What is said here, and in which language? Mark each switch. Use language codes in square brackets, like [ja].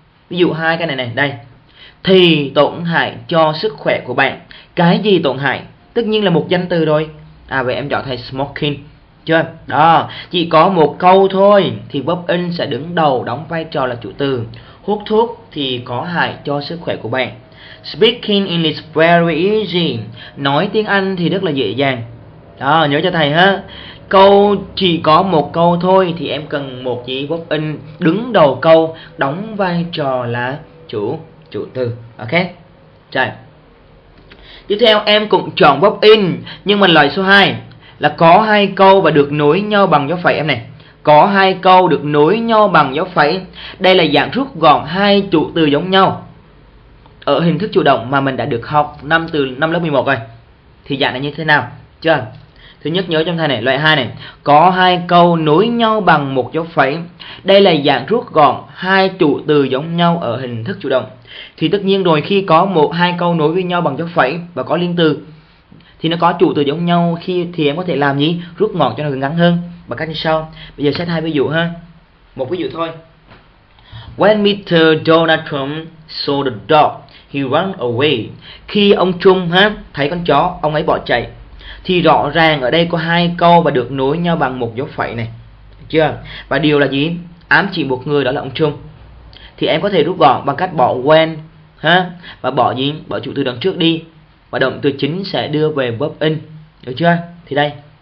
[vi] Ví dụ hai cái này này, đây. Thì tổn hại cho sức khỏe của bạn. Cái gì tổn hại? Tất nhiên là một danh từ rồi. À, vậy em chọn thay smoking. Chưa? Đó, chỉ có một câu thôi thì verb in sẽ đứng đầu đóng vai trò là chủ từ. Hút thuốc thì có hại cho sức khỏe của bạn. [en] Speaking English very easy. [vi] Nói tiếng Anh thì rất là dễ dàng. Đó, nhớ cho thầy ha. Câu chỉ có một câu thôi thì em cần một gì verb in đứng đầu câu đóng vai trò là chủ từ. Ok. Trời. Tiếp theo em cũng chọn verb in nhưng mà loại số 2 là có hai câu và được nối nhau bằng dấu phẩy em này. Có hai câu được nối nhau bằng dấu phẩy. Đây là dạng rút gọn hai chủ từ giống nhau ở hình thức chủ động mà mình đã được học từ năm lớp 11 rồi. Thì dạng này như thế nào? Chưa? Thứ nhất nhớ trong thầy này, loại 2 này, có hai câu nối nhau bằng một dấu phẩy. Đây là dạng rút gọn hai chủ từ giống nhau ở hình thức chủ động. Thì tất nhiên rồi, khi có một hai câu nối với nhau bằng dấu phẩy và có liên từ thì nó có chủ từ giống nhau, khi thì em có thể làm gì? Rút gọn cho nó ngắn hơn. bằng cách như sau. Bây giờ xét hai ví dụ ha. Một ví dụ thôi. [en] When Mr. Donald Trump saw the dog, he ran away. [vi] Khi ông Trump ha thấy con chó, ông ấy bỏ chạy. Thì rõ ràng ở đây có hai câu và được nối nhau bằng một dấu phẩy này. Được chưa? Và điều là gì? Ám chỉ một người, đó là ông Trump. Thì em có thể rút gọn bằng cách bỏ when ha và bỏ gì? Bỏ chủ từ đằng trước đi và động từ chính sẽ đưa về verb in. Được chưa? Thì đây.